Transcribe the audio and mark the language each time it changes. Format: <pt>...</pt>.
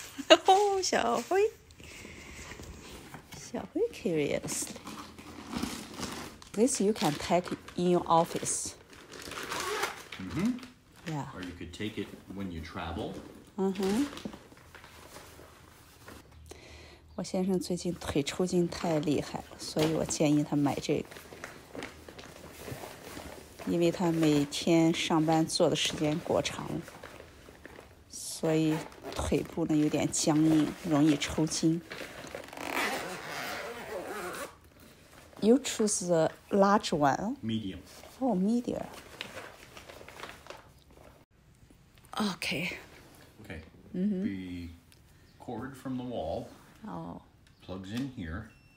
<en>Oh. Oh, 小辉。小辉 curious. This you can take in your office. Mm-hmm. Yeah. Or you could take it when you travel. Mm-hmm.</en> <zh>我先生最近腿抽筋太厉害了，所以我建议他买这个。因为他每天上班坐的时间过长，所以腿部呢有点僵硬，容易抽筋。</zh> <en>You choose the large one. Medium. Oh, medium. Okay. Okay. Mm-hmm. The cord from the wall. Oh. Plugs in here.</en>